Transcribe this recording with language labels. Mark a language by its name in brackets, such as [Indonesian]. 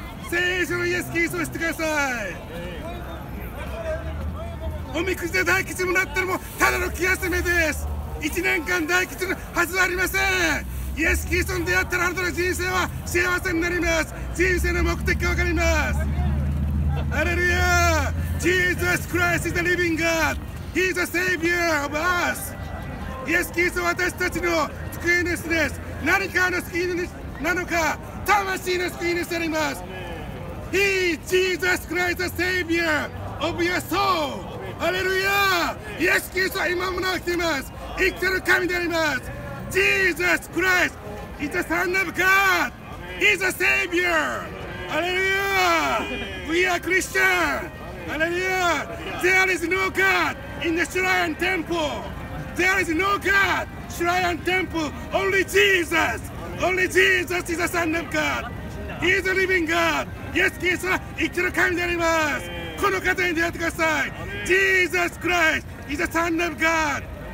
[Japanese] 聖書のイエス・キリストを知ってください。おみくじで大吉もなったらもうただの気休めです。1年間大吉のはずはありません。イエス・キリストに出会ったらあなたの人生は幸せになります。人生の目的が分かります。ハレルヤー。 [English] Jesus Christ is the living God. He is the savior of us. [Japanese] イエス・キリストは私たちの救い主です。何かの救い主なのか、魂の救い主であります。 [English] He is Jesus Christ the savior of your soul. [Japanese] ハレルヤー。 イエス・キリストは今もなお来ています。生きてる神であります。 [English] Jesus Christ is the Son of God. He's the Savior. Hallelujah. We are Christian. Hallelujah. There is no God in the Shrine Temple. There is no God Shrine Temple. Only Jesus. Only Jesus is the Son of God. He is the Living God. Yes, Jesus. [Japanese] 生きてる神であります。この方に出会ってください。 [English] Jesus Christ is the Son of God.